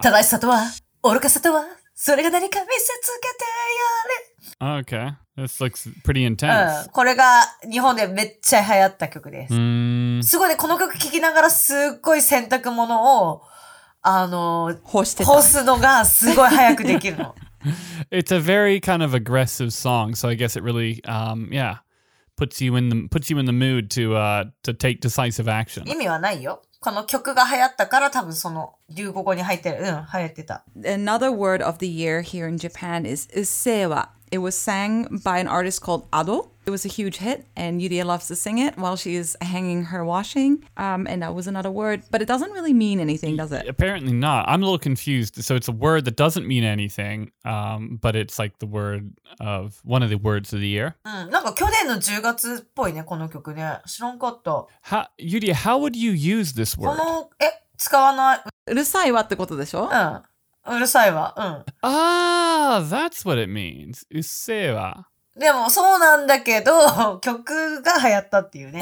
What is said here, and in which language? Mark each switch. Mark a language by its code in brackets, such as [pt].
[ja] 正しさとは愚かさとは、それが何か見せつけてやれ。 [en] OK,This looks pretty intense. [ja] うん、これが日本でめっちゃ流行った曲です。すごいね、この曲聴きながらすっごい洗濯物を干すのがすごい早くできるの。 [en] It's a very kind of aggressive song, so I guess it really, puts you in the mood to take decisive action. [ja] 意味はないよ。この曲が流行ったから多分その流行語に入ってる。うん、流行ってた。 [en] Another word of the year here in Japan is うっせーわ。 It was sang by an artist called Ado. It was a huge hit, and Yurie loves to sing it while she is hanging her washing. And that was another word, but it doesn't really mean anything, does it? Apparently not. I'm a little confused. So it's a word that doesn't mean anything, but it's like the word of one of the words of the year. [ja] なんか去年の10月っぽいね、この曲ね。知らんかった。 [en] Yurie, how would you use this word? [ja] この、え、使わない。うるさいわってことでしょ？うん。うるさいわ。うん。 [en] Ah, that's what it means. うっせーわ。 [ja] でもそうなんだけど、曲が流行ったっていうね。